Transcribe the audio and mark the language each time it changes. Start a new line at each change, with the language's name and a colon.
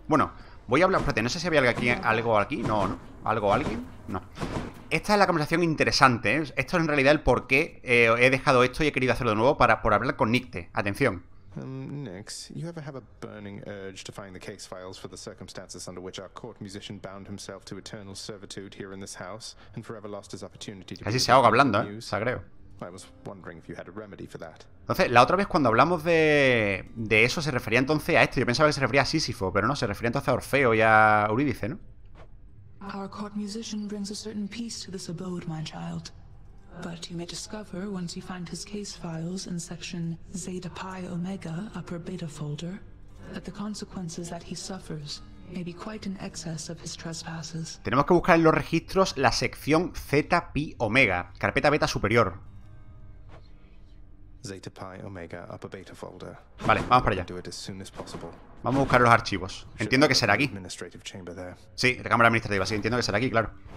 Spanish: Bueno, voy a hablar, espérate, no sé si había algo aquí. No, no. ¿Algo o alguien? No. Esta es la conversación interesante, ¿eh? Esto es en realidad el por qué he dejado esto y he querido hacerlo de nuevo por hablar con Nicte. Atención.
English: Nix, you ever have a burning urge to find the case files for the circumstances under which our court musician bound himself to eternal servitude here in this house and forever lost his opportunity to...
Spanish: Así se ahoga hablando, sagreo.
English: I was wondering if you had a remedy for that.
Spanish: Entonces, la otra vez cuando hablamos de eso se refería entonces a esto. Yo pensaba que se refería a Sísifo, pero no, se refería entonces a Orfeo y a Eurídice, ¿no?
English: Our court musician brings a certain peace to this abode, my child. But you may discover once you find his case files in section Zeta Pi Omega, upper beta folder, that the consequences that he suffers may be quite in excess of his trespasses.
Spanish: Tenemos que buscar en los registros la sección Zeta Pi Omega, carpeta beta superior.
English: Zeta Pi Omega, upper beta folder.
Spanish: Vale, vamos para allá. Vamos a buscar los archivos. Entiendo que será aquí. Sí, la cámara administrativa, sí, entiendo que será aquí, claro.